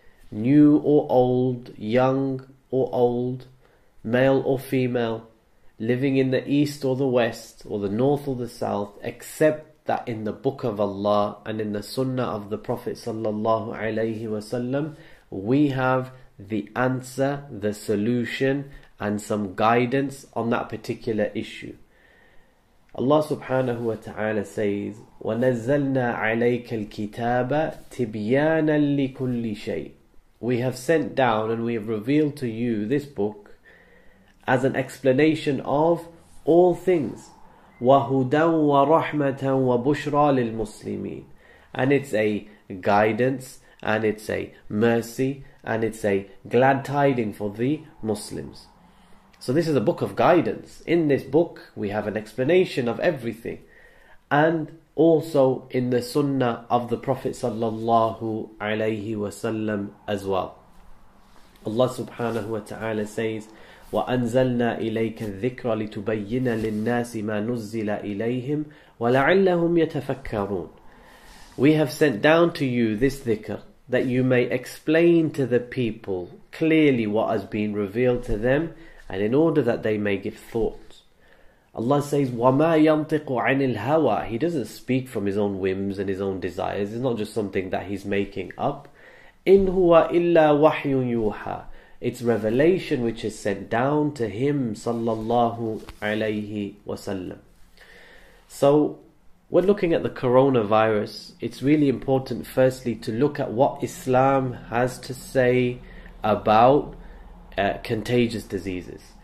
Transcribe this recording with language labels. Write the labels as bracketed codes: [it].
[en] new or old, young or old, male or female, living in the east or the west, or the north or the south, except that in the book of Allah and in the sunnah of the Prophet sallallahu alaihi wasallam, we have the answer, the solution, and some guidance on that particular issue. Allah subhanahu wa ta'ala says, [ar] وَنَزَّلْنَا عَلَيْكَ الْكِتَابَ تِبْيَانًا لِكُلِّ شَيْءٍ. [en] We have sent down and we have revealed to you this book as an explanation of all things. [ar] وَهُدًا وَرَحْمَةً وَبُشْرَى لِلْمُسْلِمِينَ. [en] And it's a guidance, and it's a mercy, and it's a glad tiding for the Muslims. So this is a book of guidance. In this book, we have an explanation of everything. And also in the sunnah of the Prophet sallallahu alayhi wasallam as well. Allah subhanahu wa ta'ala says, [ar] وَأَنْزَلْنَا إِلَيْكَ الذِّكْرَ لِتُبَيِّنَ لِلنَّاسِ مَا نُزِّلَ إِلَيْهِمْ وَلَعَلَّهُمْ يَتَفَكَّرُونَ. [en] We have sent down to you this dhikr that you may explain to the people clearly what has been revealed to them, and in order that they may give thought. Allah says, [ar] وَمَا يَنْطِقُ عَنِ الْهَوَى. [en] He doesn't speak from his own whims and his own desires. It's not just something that he's making up. [ar] إِنْ هُوَ إِلَّا وَحْيٌ يُوحَى. [en] It's revelation which is sent down to him sallallahu alayhi wasallam. So when looking at the coronavirus, it's really important firstly to look at what Islam has to say about contagious diseases.